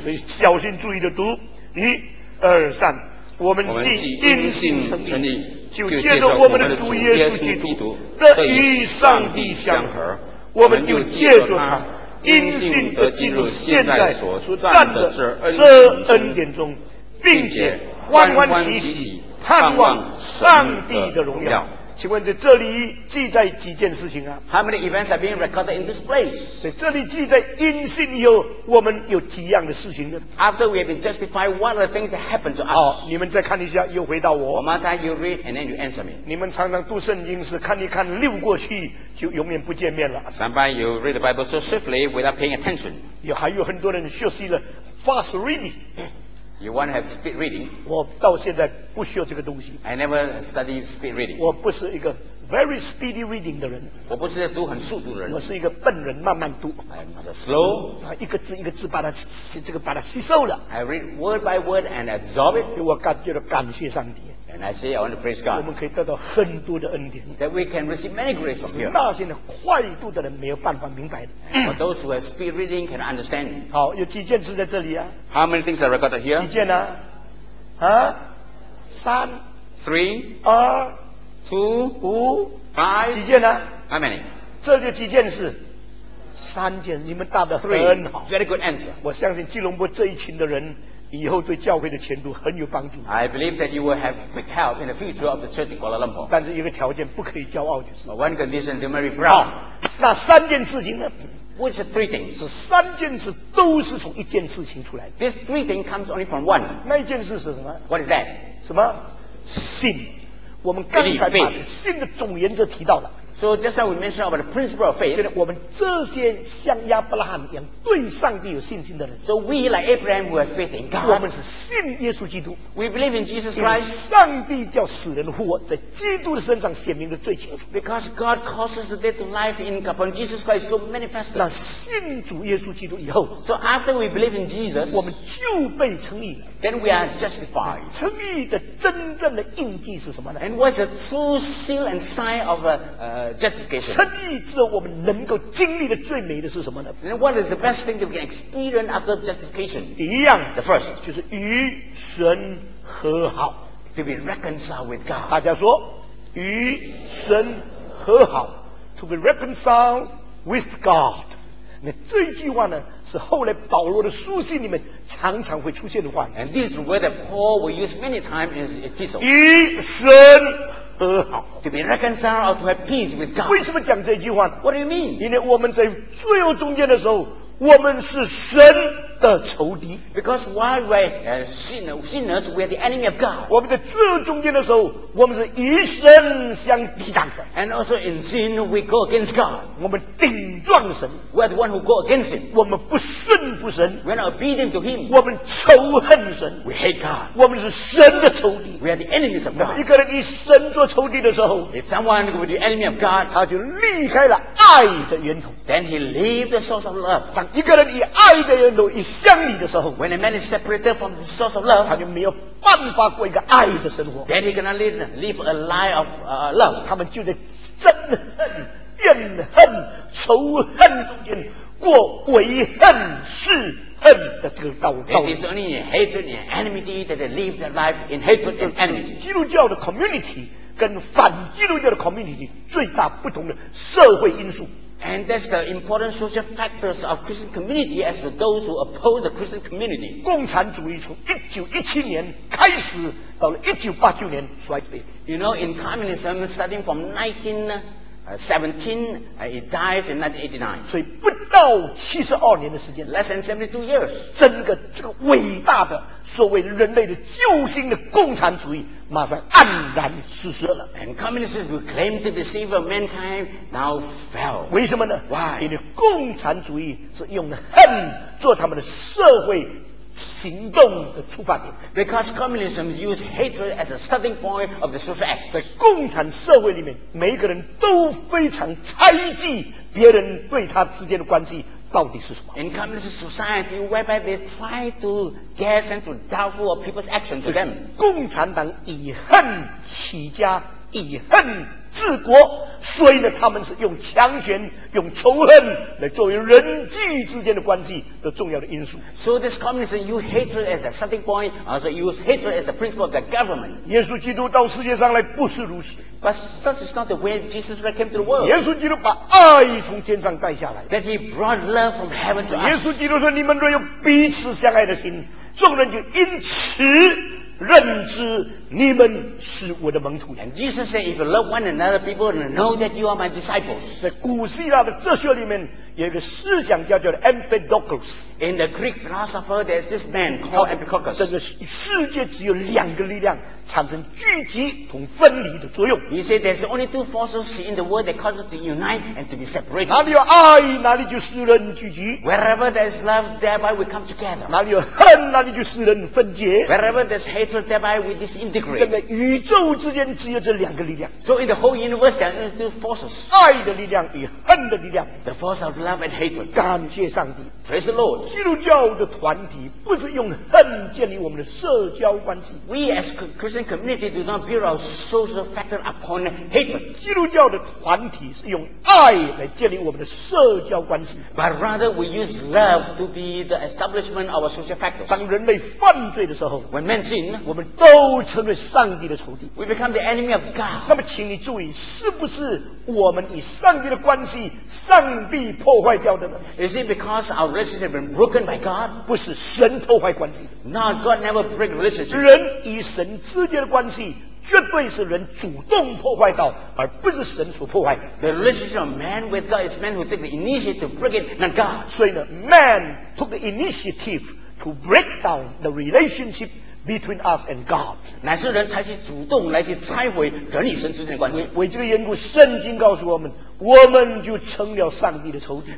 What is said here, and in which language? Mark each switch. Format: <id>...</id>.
<zh>所以小心注意的读，一、二、三。我们既因信称义，就借着我们的主耶稣基督得与上帝相合，我们就借着他因信得进入现在所站的这恩典中，并且欢欢喜喜盼望上帝的荣耀。请问在这里记载几件事情啊？</zh> <en>How many events are being recorded in this place?</en> <zh>在这里记载因信以后，我们有几样的事情呢？</zh> <en>After we have been justified, what are the things that happened to us?</en> <zh>你们再看一下，又回到我。</zh> <en>One more time, you read and then you answer me.</en> <zh>你们常常读圣经是看一看溜过去，就永远不见面了。</zh> <en>Sometimes you read the Bible so swiftly without paying attention.</en> <zh>也还有很多人学习了</zh> <en>fast reading。 You want to have speed reading?</en> <zh>我到现在不需要这个东西。</zh> <en>I never study speed reading.</en> <zh>我不是一个</zh> <en>very speedy reading</en> <zh>的人。我不是在读很速度的人。我是一个笨人，慢慢读。</zh> <en>I'm not a slow.</en> <zh>一个字一个字把它这个把它吸收了。</zh> <en>I read word by word and absorb it.</en> <zh>我感觉到感谢上帝。</zh> <en>And I say I want to praise God.</en> <zh>我们可以得到很多的恩典。</zh> <en>That we can receive many graces here.</en> <zh>那些快读的人没有办法明白的。</zh> <en>But those who have speed reading can understand.</en> <zh>好，有几件事在这里啊。</zh> <en>How many things are recorded here?</en> <zh>几件啊？啊？三。</zh> <en>Three.</en> <zh>二。</zh> <en>Two.</en> <zh>五。</zh> <en>Five.</en> <zh>几件啊</zh> <en>？How many?</en> <zh>这就几件事。三件，你们答得很好。</zh> <en>Very good answer.</en> <zh>我相信吉隆坡这一群的人。以后对教会的前途很有帮助。</zh> <en>I believe that you will have big help in the future of the church in Kuala Lumpur.</en> <zh>但是一个条件不可以骄傲就是。</zh> <en>But one condition, you must be proud.</en> <zh>那三件事情呢</zh> <en>？Which three things?</en> <zh>是三件事都是从一件事情出来的。</zh> <en>These three things comes only from one.</en> <zh>那一件事是什么</zh> <en>？What is that?</en> <zh>什么？信。我们刚才把信的总原则提到了。</zh> <en>So just now we mentioned about the principle of faith.</en> <zh>现在我们这些像亚伯拉罕一样对上帝有信心的人</zh> <en>，So we like Abraham who has faith in God.</en> <zh>我们是信耶稣基督。</zh> <en>We believe in Jesus Christ.</en> <zh>上帝叫死人复活，在基督的身上显明的最清楚。</zh> <en>Because God causes the dead to life in upon Jesus Christ so manifest.</en> <zh>那信主耶稣基督以后</zh> <en>，So after we believe in Jesus,</en> <zh>我们就被称义了。</zh> <en>Then we are justified.</en> <zh>称义的真正的印记是什么呢</zh> <en>？And what's the true seal and sign of a</en> <zh>称义之后，我们能够经历的最美的是什么呢</zh> <en>？And what is the best thing that we can experience after justification?</en> <zh>一样</zh> <en>，the first</en> <zh>就是与神和好</zh> <en>，to be reconciled with God。</en> <zh>大家说，与神和好 ，</zh> <en>to be reconciled with God。</en> <zh>那这一句话呢，是后来保罗的书信里面常常会出现的话。</zh> <en>And this is where Paul will use many times in his epistle.</en> <zh>与神和好</zh> <en>，to be reconciled or to have peace with God.</en> <zh>为什么讲这句话</zh> <en>？What do you mean?</en> <zh>因为我们在罪恶中间的时候，我们是神的仇敌。</zh> <en>Because while we are sinners, we are the enemy of God.</en> <zh>我们在罪恶中间的时候，我们是与神相抵挡的。</zh> <en>And also in sin, we go against God.</en> <zh>我们顶撞神。</zh> <en>We are the one who go against Him.</en> <zh>我们不顺服神。</zh> <en>We are obedient to Him.</en> <zh>我们仇恨神。</zh> <en>We hate God.</en> <zh>我们是神的仇敌。</zh> <en>We are the enemies of God.</en> <zh>一个人与神做仇敌的时候</zh> <en>，If someone with the enemy of God,</en> <zh>他就离开了爱的源头。</zh> <en>Then he leave the source of love.</en> <zh>当一个人与爱的源头一相离的时候</zh> <en>，When a man is separated from the source of love,</en> <zh>他就没有办法过一个爱的生活。</zh> <en>Then he cannot live a life of love.</en> <zh>他们就在憎恨、怨恨、仇恨中间过为恨是恨的这个道路。</zh> <en>It is only in hatred and enmity that they live their life in hatred and enmity.</en> <zh>基督教的 community 跟反基督教的 community 最大不同的社会因素。</zh> <en>And that's the important social factors of Christian community as to those who oppose the Christian community.</en> <zh>共产主义从1917年开始到了1989年衰败。</zh> <en>You know, in communism, starting from 1917, it dies in 1989.</en> <zh>所以不到72年的时间</zh> <en>,less than 72 years,</en> <zh>整个这个伟大的所谓人类的救星的共产主义马上黯然失色了。</zh> <en>And communism who claimed to be the savior of mankind now fell.</en> <zh>为什么呢</zh> <en>?Why?</en> <zh>因为共产主义是用恨做他们的社会行动的出发点。</zh> <en>Because communism used hatred as a starting point of the social act.</en> <zh>在共产社会里面，每一个人都非常猜忌别人对他之间的关系，到底是什么。</zh> <en>In communist society, whereby they try to guess and to doubt for people's actions to them.</en> <zh>共产党以恨起家，以恨治国，所以呢，他们是用强权、用仇恨来作为人际之间的关系的重要的因素。</zh> <en>So this communism use hatred as a starting point, also use hatred as a principle of the government.</en> <zh>耶稣基督到世界上来不是如此。</zh> <en>But such is not the way Jesus came to the world.</en> <zh>耶稣基督把爱从天上带下来。</zh> <en>That he brought love from heaven to us.</en> <zh>耶稣基督说：“你们若有彼此相爱的心，众人就因此。” 认知你们是我的门徒。</zh> <en>And Jesus said, if you love one another, people will know that you are my disciples.</en> <zh>在古希腊的哲学里面有一个思想家叫 Empedocles.</zh> <en>In the Greek philosopher, there's this man called Empedocles.</en> <zh>这个世界只有两个力量产生聚集同分离的作用。</zh> <en>He said, there's only two forces in the world that causes to unite and to be separated.</en> <zh>哪里有爱，哪里就使人聚集。</zh> <en>Wherever there's love, thereby we come together.</en> <zh>哪里有恨，哪里就使人分解。</zh> <en>Wherever there's hatred, thereby we disintegrate.</en> <zh>整个宇宙之间只有这两个力量。</zh> <en>So in the whole universe, there are only two forces.</en> <zh>爱的力量与恨的力量。</zh> <en>The force of love and hatred.</en> <zh>感谢上帝。</zh> <en>Praise the Lord.</en> <zh>基督教的团体不是用恨建立我们的社交关系。</zh> <en>We as Christian community do not build our social factor upon hatred.</en> <zh>基督教的团体是用爱来建立我们的社交关系。</zh> <en>But rather we use love to be the establishment of our social factor.</en> <zh>当人类犯罪的时候</zh> <en>，When men sin,</en> <zh>我们都成为上帝的仇敌。</zh> <en>We become the enemy of God.</en> <zh>那么，请你注意，是不是我们与上帝的关系上帝破坏掉的呢</zh> <en>？Is it because our relationship has been broken by God?</en> <zh>不是神破坏关系。</zh> <en>Not God never break relationship.</en> <zh>人与神之间的关系绝对是人主动破坏到，而不是神所破坏的。</zh> <en>The relationship of man with God is man who takes the initiative to break it, not God. 所以呢 ，man took the initiative to break down the relationship between us and God.</en> <zh>乃是人采取主动来去拆毁人与神之间的关系。为这个缘故，圣经告诉我们。我们就成了上帝的仇敌。</zh>